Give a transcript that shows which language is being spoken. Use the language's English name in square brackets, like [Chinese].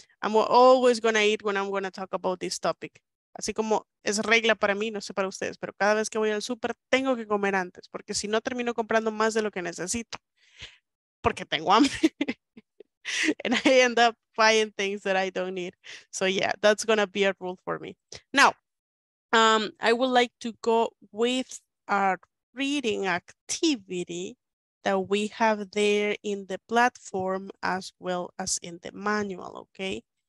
[English] I'm always gonna eat when I'm gonna talk about this topic. [Spanish] Así como es regla para mí, no sé para ustedes, pero cada vez que voy al súper tengo que comer antes, porque si no termino comprando más de lo que necesito, porque tengo hambre. [English] and I end up buying things that I don't need. So yeah, that's gonna be a rule for me. Now, I would like to go with our reading activity that we have there in the platform as well as in the manual, okay?